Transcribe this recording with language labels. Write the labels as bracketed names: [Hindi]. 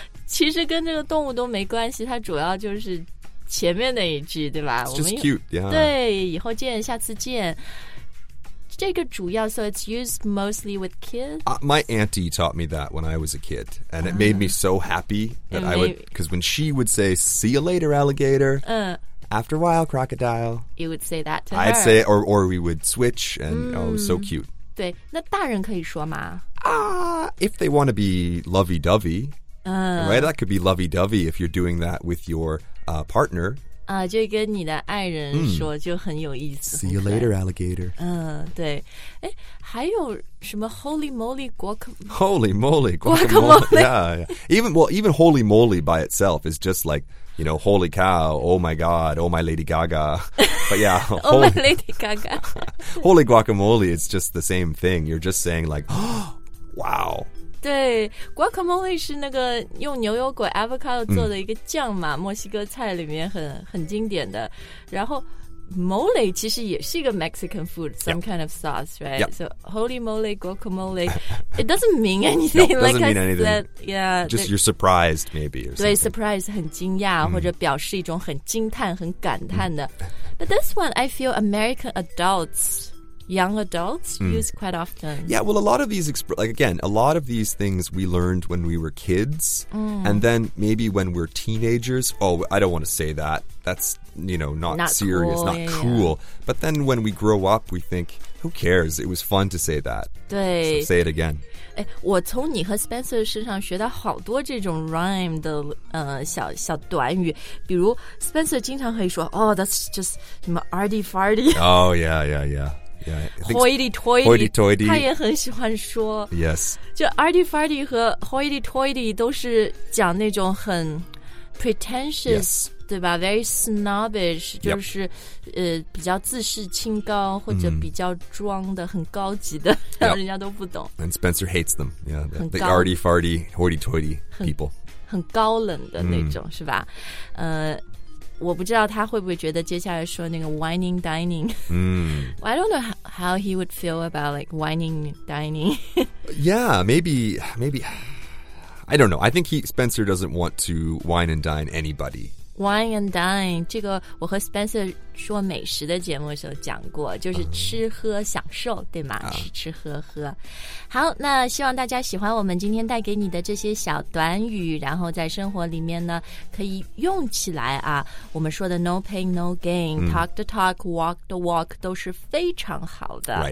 [Chinese] 其实跟这个动物都没关系，它主要就是。前面那一句对吧 [English] It's just cute、yeah. [Chinese] 对以后见下次见这个主要 [English] So it's used mostly with kids、 My auntie taught me that when I was a kid And it made me so happy that I would Because when she would say See you later alligator、After a while crocodile You would say that to her I'd say it or we would switch And、oh so cute [Chinese] 对那大人可以说吗、 [English] If they want to be lovey-dovey、Right that could be lovey-dovey If you're doing that with yourpartner. [Chinese] 就跟你的爱人说就很有意思。 [English] See you later, alligator. [Chinese] 对。诶，还有什么 [English] holy moly, guacamole? Holy moly, guacamole. Yeah, yeah. Even holy moly by itself is just like, you know, holy cow, oh my god, oh my lady gaga. But yeah, holy, oh my lady gaga. holy guacamole is just the same thing. You're just saying like, wow. [Chinese] 对 ,guacamole 是那个用牛油果 avocado 做的一个酱嘛、墨西哥菜里面很经典的。 [English] 然后 mole [Chinese] 其实也是一个 [English] Mexican food, some kind of sauce, right?、 Yep. So holy mole, guacamole, it doesn't mean anything. No, like doesn't mean anything. Said, yeah, Just you're surprised, maybe. Or [Chinese] 对 ,surprise 很惊讶、或者表示一种很惊叹很感叹的。 [English] But this one, I feel American adults... Young adults use quite often. Yeah, well, a lot of these, a lot of these things we learned when we were kids. And then maybe when we're teenagers. Oh, I don't want to say that. That's, you know, not serious, cool, not yeah, cool. Yeah. But then when we grow up, we think, who cares? It was fun to say that. [Chinese] 对 [English] so say it again. [Chinese] 我从你和 Spencer 身上学到好多这种 rhyme 的、小短语。比如 Spencer 经常会说 [English] oh, that's just [Chinese] 什么 [English] arty farty. Oh, yeah, yeah, yeah. [Chinese] Hoity-toity 他也很喜欢说 [English] Yes [Chinese] 就 arty-farty 和 hoity-toity 都是讲那种很 pretentious、 [English] yes. [Chinese] 对吧 [English] Very snobbish [Chinese] 就是、比较自视清高或者比较装的、很高级的、人家都不懂 [English] And Spencer hates them yeah, The arty-farty hoity-toity people [Chinese] 很高冷的那种、是吧我不知道他会不会觉得接下来说那个 whining dining、 [English] I don't know how he would feel about like whining dining Yeah, maybe I don't know, I think Spencer doesn't want to whine and dine anybody [Chinese] Whine and dine 这个我和 Spencer 说美食的节目的时候讲过就是吃喝享受对吗、吃吃喝喝好那希望大家喜欢我们今天带给你的这些小短语然后在生活里面呢可以用起来啊我们说的 [English] no pain no gain、 talk the talk walk the walk [Chinese] 都是非常好的